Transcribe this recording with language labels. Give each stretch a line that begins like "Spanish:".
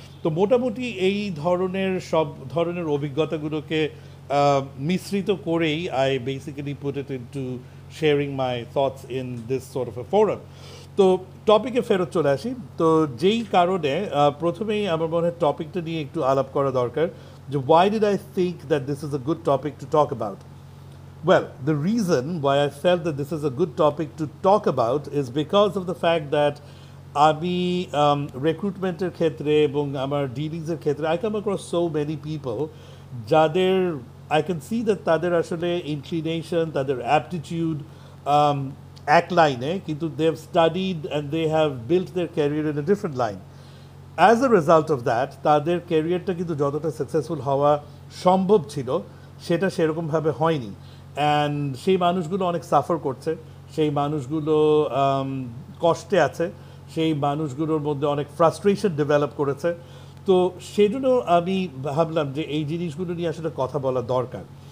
Bangla: তো মোটামুটি এই ধরনের সব ধরনের অভিজ্ঞতাগুলোকে মিশ্রিত করেই
English: I basically put it into sharing my thoughts in this sort of a forum.
Bangla: তো টপিকে ফেরত চলে আসি। তো যেই কারণে প্রথমেই আমার মনে হয় টপিকটা নিয়ে একটু আলাপ করা দরকার, যে
English: Why did I think that this is a good topic to talk about. Well, the reason why I felt that this is a good topic to talk about is because of the fact that
Bangla: ami recruitment er khetre
English: ebong amar dealings er khetre I come across so many people
Bangla: jader
English: I can see that
Bangla: tader ashole inclination, tader aptitude ek line e, kintu
English: they have studied and they have built their career in a different line. As a result of that,
Bangla: tader career ta kintu jotota successful howa shombhob chilo seta sherokom bhabe hoyni, and সেই মানুষগুলো অনেক suffer করছে, সেই মানুষগুলো কষ্টে আছে, সেই মানুষগুলোর মধ্যে অনেক ফ্রাস্ট্রেশন ডেভেলপ করেছে। তো সেজন্য আমি ভাবলাম যে এই জিনিসগুলো নিয়ে আসলে কথা বলা দরকার।